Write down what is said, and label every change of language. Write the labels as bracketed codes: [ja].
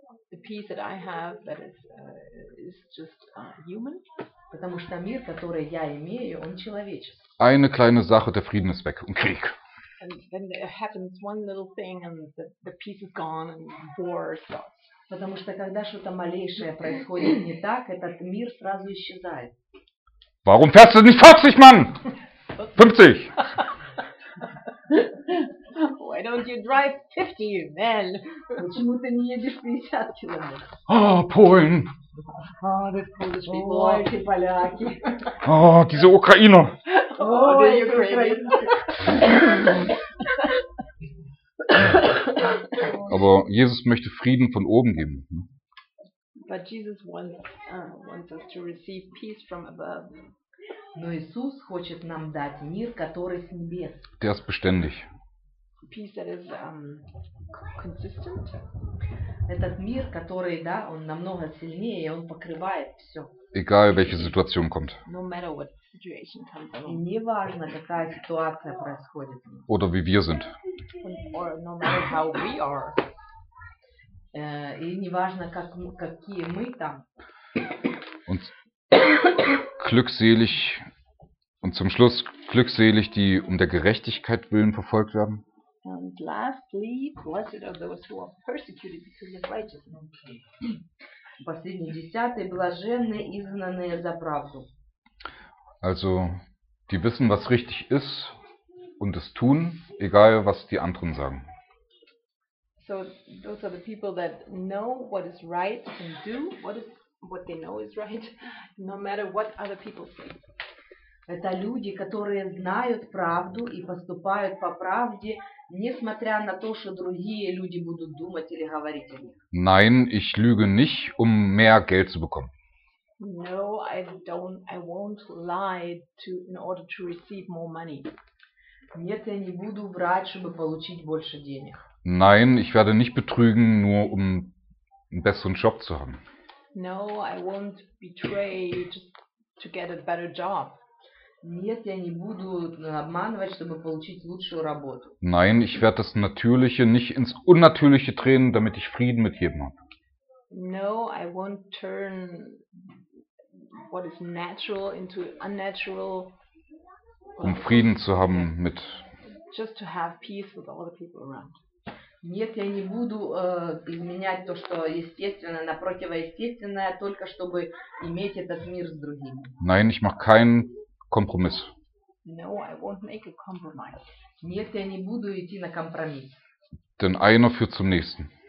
[en] The peace that I have, that is just human. [ru] Потому что мир, который я имею, он человеческий. [de] Eine kleine Sache, der Frieden ist weg und Krieg. [en] And then it happens one little thing and the peace is gone and war starts. [ru] Потому что когда что-то малейшее происходит не так, этот мир сразу исчезает. [de] Warum fährst du nicht 40, Mann? 50. [en] Why don't you drive 50, man? [ru] Почему ты не едешь 50 километров? [de] Ah, Polen. [ru] Oh, эти поляки. [de] Oh, diese Ukrainer. [en] Oh, the Ukrainians. [de] Aber Jesus möchte Frieden von oben geben. [en] But Jesus wants us to receive peace from above. [ru] Но Иисус хочет нам дать мир, который с небес. [de] Der ist beständig. [en] Peace that is consistent. [ru] Этот мир, который, да, он намного сильнее, он покрывает все. [de] Egal, welche Situation kommt. [en] No matter what situation comes along. [ru] И не важно, какая ситуация происходит. [de] Oder wie wir sind. [en] Or no matter how we are. [ru] И не важно, какие мы там. [de] Und glückselig und zum Schluss glückselig, die um der Gerechtigkeit willen verfolgt werden. [en] And lastly, blessed are those who are persecuted because of righteousness. [ru] Последний десятый, блаженны изгнанные за правду. [de] Also, die wissen, was richtig ist und es tun, egal was die anderen sagen. [en] So those are the people that know what is right and do what they know is right, no matter what other people say. [ru] Это люди, которые знают правду и поступают по правде, несмотря на то, что другие люди будут думать или говорить о них. [de] Nein, ich lüge nicht, um mehr Geld zu bekommen. [en] No, I won't lie in order to receive more money. [ru] Нет, я не буду врать, чтобы получить больше денег. [de] Nein, ich werde nicht betrügen, nur um einen besseren Job zu haben. [en] No, I won't betray just to get a better job. [ru] Нет, я не буду обманывать, чтобы получить лучшую работу. [de] Nein, ich werde das Natürliche nicht ins Unnatürliche drehen, damit ich Frieden mit jedem habe. [en] No, I won't turn what is natural into unnatural. [de] Um Frieden zu haben mit. [en] Just to have peace with all the people around. [ru] Нет, я не буду изменять то, что естественно, на противоестественное, только чтобы иметь этот мир с другими. [de] Nein, ich mache keinen Kompromiss. [en] No, I won't make a compromise. [ru] Нет, я не буду идти на компромисс. [de] Denn einer führt zum nächsten.